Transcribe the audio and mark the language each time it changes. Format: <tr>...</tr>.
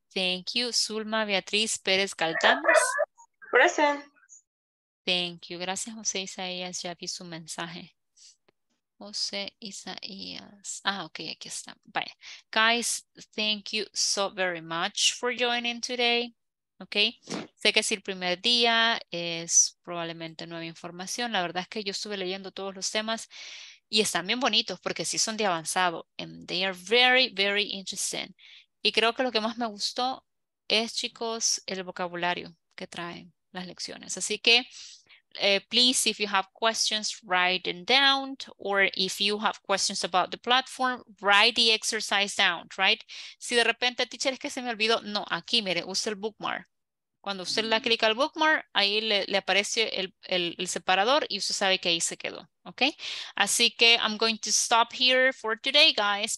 <en>Thank you. Zulma Beatriz Pérez Galdames. Present. Thank you.</en> <es>Gracias, José Isaías. Ya vi su mensaje. José Isaías. Ah, okay, aquí está. Bye.</es> <en>Guys, thank you so very much for joining today. Okay.</en> <es>Sé que es el primer día, es probablemente nueva información. La verdad es que yo estuve leyendo todos los temas y están bien bonitos porque sí son de avanzado.</es> <en>And they are very, very interesting.</en> <es>Y creo que lo que más me gustó es, chicos, el vocabulario que traen las lecciones. Así que,</es> <en>please, if you have questions, write them down. Or if you have questions about the platform, write the exercise down, right?</en> <es>Si de repente, teacher, es que se me olvidó. No, aquí, mire, use el bookmark. Cuando usted le clica al bookmark, ahí le aparece el separador y usted sabe que ahí se quedó, okay? Así que</es> <en>I'm going to stop here for today, guys.</en>